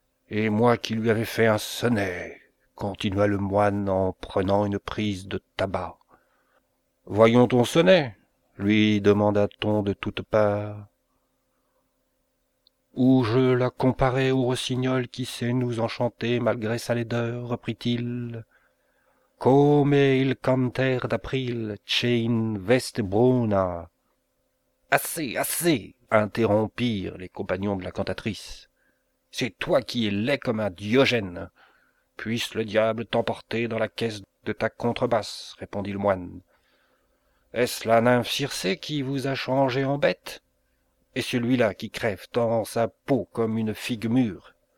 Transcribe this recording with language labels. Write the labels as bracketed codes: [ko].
[fr] Et moi qui lui avais fait un sonnet, continua le moine en prenant une prise de tabac. Voyons ton sonnet, lui demanda-t-on de toutes parts. Ou je la comparais au rossignol qui sait nous enchanter malgré sa laideur, reprit-il. [it] Come il canter d'april, c'è in veste bruna. [fr] Assez, assez, interrompirent les compagnons de la cantatrice. C'est toi qui es laid comme un Diogène. Puisse le diable t'emporter dans la caisse de ta contrebasse, répondit le moine. Est-ce la nymphe Circé qui vous a changé en bête? Et celui-là qui crève dans sa peau comme une figue mûre?